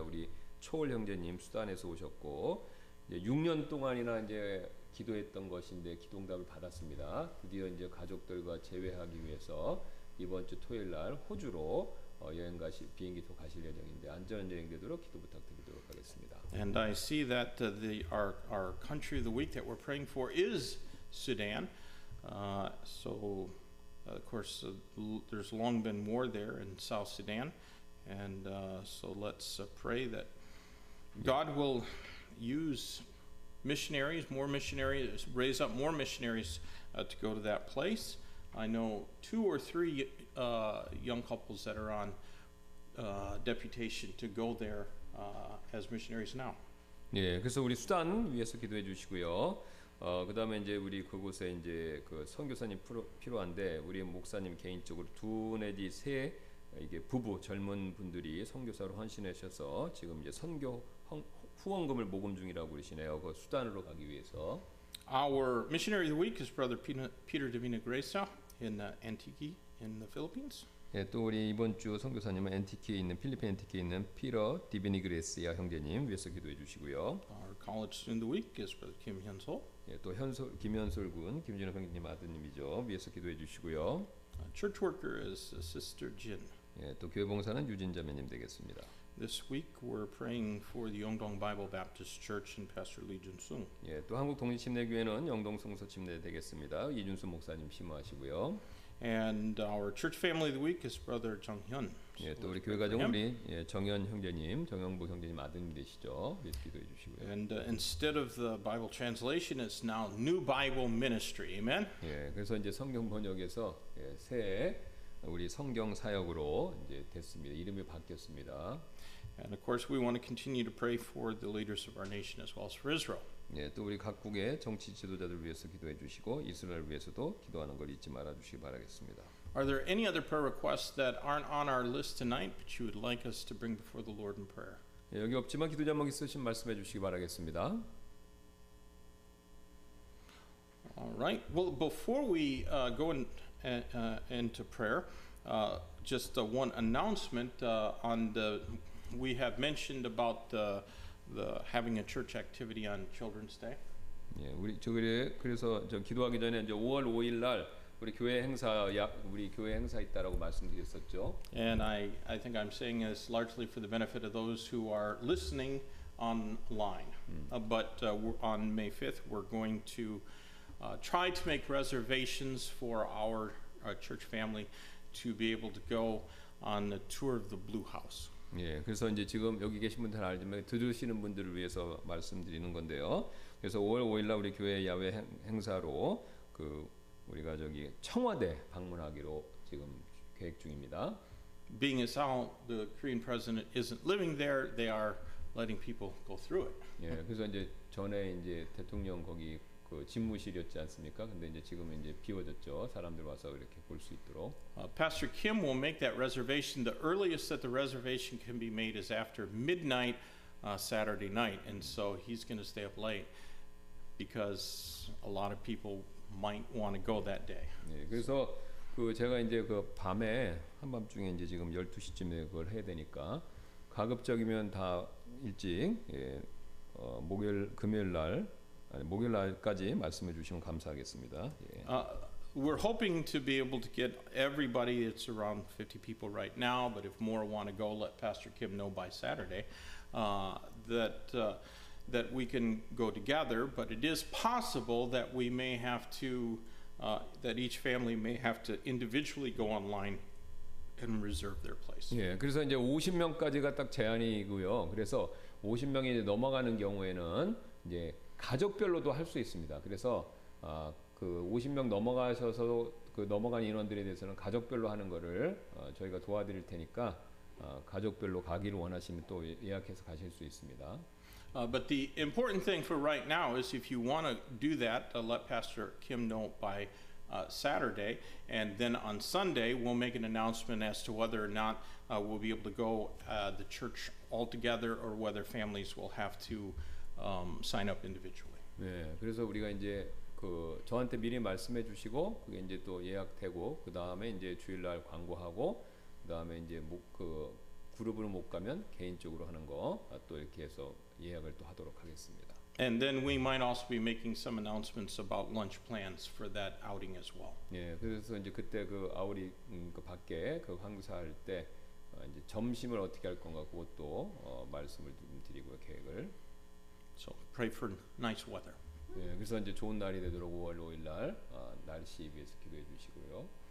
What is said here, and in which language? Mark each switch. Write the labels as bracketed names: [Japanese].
[Korean] 우리 초월 형제님 수단에서 오셨고 이제 6년 동안이나 이제 기도했던 것인데 기도응답을 받았습니다. 드디어 이제 가족들과 재회하기 위해서 이번 주 토요일 날 호주로 여행 가실 비행기도 가실 예정인데 안전 여행 되도록 기도 부탁드리도록 하겠습니다. [English] And I see that our country of the week that we're praying for is Sudan. So of course there's long been war there in South Sudan. And so let's pray that God will use missionaries, more missionaries, raise up more missionaries to go to that place. I know two or three young couples that are on deputation to go there as missionaries now. [Korean] 예, 그래서 우리 수단 위해서 기도해 주시고요. 그다음에 이제 우리 그곳에 이제 그 선교사님 필요한데 우리 목사님 개인적으로 두 내지 세 이게 부부 젊은 분들이 선교사로 헌신하셔서 지금 이제 선교 후원금을 모금 중이라고 그러시네요. 그 수단으로 가기 위해서. [English] Our missionary of the week is Brother Peter Davina Gracia in Antique in the Philippines. [Korean] 예, 또 우리 이번 주 선교사님은 앤티키에 있는 필리핀 앤티키에 있는 피터 디비니 그레시아 형제님 위해서 기도해 주시고요. [English] Our college student of the week is Brother Kim Hyun-sol. [Korean] 예, 또 현솔 김현솔 군 김진호 형제님 아드님이죠. 위해서 기도해 주시고요. [English] Church worker is Sister Jin. [Korean] 예, 또 교회 봉사는 유진 자매님 되겠습니다. [English] This week we're praying for the Yeongdong Bible Baptist Church and Pastor Lee Jun-sung. [Korean] 예, 또 한국 독립 침례 교회는 영동 성서 침례 되겠습니다. 이준수 목사님 심호하시고요. [English] And our church family of the week is Brother Jung Hyun. [Korean] 예, 또 우리 교회 가정 우리 예, 정현 형제님, 정영복 형제님 아드님 되시죠. 예, 기도해 주시고요. [English] And instead of the Bible translation, it's now New Bible Ministry. Amen. [Korean] 예, 그래서 이제 성경 번역에서 예, 새 우리 성경 사역으로 이제 됐습니다. 이름이 바뀌었습니다. [English] And of course, we want to continue to pray for the leaders of our nation as well as for Israel. [Korean] 예, 또 우리 각국의 정치 지도자들 위해서 기도해 주시고 이스라엘 위해서도 기도하는 걸 잊지 말아 주시기 바라겠습니다. [English] Are there any other prayer requests that aren't on our list tonight, but you would like us to bring before the Lord in prayer? [Korean] 예, 여기 없지만 기도 제목 있으시면 말씀해 주시기 바라겠습니다. [English] All right. Well, before we go in, into prayer, just one announcement on the. We have mentioned about the having a church activity on Children's Day. [Korean] 예, 우리 저기 그래서 저 기도하기 전에 이제 5월 5일 날 우리 교회 행사 우리 교회 행사 있다라고 말씀드렸었죠. [English] And I think I'm saying this largely for the benefit of those who are listening online. But on May 5th we're going to try to make reservations for our church family to be able to go on the tour of the Blue House. [Korean] 예, 그래서 이제 지금 여기 계신 분들 알지만 들으시는 분들을 위해서 말씀드리는 건데요. 그래서 5월 5일 날 우리 교회 야외 행사로 그 우리가 저기 청와대 방문하기로 지금 계획 중입니다. [English] Being as how the Korean president isn't living there, they are letting people go through it. [Korean] 예, 그래서 이제 전에 이제 대통령 거기 그 집무실이었지 않습니까? 근데 이제 지금은 이제 비워졌죠. 사람들 와서 이렇게 볼 수 있도록. [English] Pastor Kim will make that reservation. The earliest that the reservation can be made is after midnight Saturday night, and so he's going to stay up late because a lot of people might want to go that day. [Korean] 예, 그래서 그 제가 이제 그 밤에 한밤중에 이제 지금 12시쯤에 그걸 해야 되니까 가급적이면 다 일찍 예, 목요일 금요일 날 아니 목요일 날까지 말씀해 주시면 감사하겠습니다. 예. [English] We're hoping to be able to get everybody. It's around 50 people right now, but if more want to go, let Pastor Kim know by Saturday that we can go together. But it is possible that we may have to that each family may have to individually go online and reserve their place. [Korean] 예, 그래서 이제 50명까지가 딱 제한이고요. 그래서 50명이 이제 넘어가는 경우에는 이제 가족별로도 할 수 있습니다. 그래서 그 50명 넘어가셔서 그 넘어간 인원들에 대해서는 가족별로 하는 거를 저희가 도와드릴 테니까 가족별로 가기를 원하시면 또 예약해서 가실 수 있습니다. [English] But the important thing for right now is if you want to do that, let Pastor Kim know by Saturday, and then on Sunday we'll make an announcement as to whether or not we'll be able to go the church altogether or whether families will have to sign up individually. [Korean] 네, 그래서 우리가 이제 그 저한테 미리 말씀해 주시고 그게 이제 또 예약되고 그 다음에 이제 주일날 광고하고 그 다음에 이제 그 그룹으로 못 가면 개인적으로 하는 거 또 이렇게 해서 예약을 또 하도록 하겠습니다. [English] And then we might also be making some announcements about lunch plans for that outing as well. [Korean] 네, 그래서 이제 그때 그 아우리 그 밖에 그 황사할 때 이제 점심을 어떻게 할 건가 그것도 말씀을 드리고요 계획을. [English] So pray for nice weather. [Korean] 예, 그래서 이제 좋은 날이 되도록 5월 5일 날 날씨에 비해서 기도해 주시고요.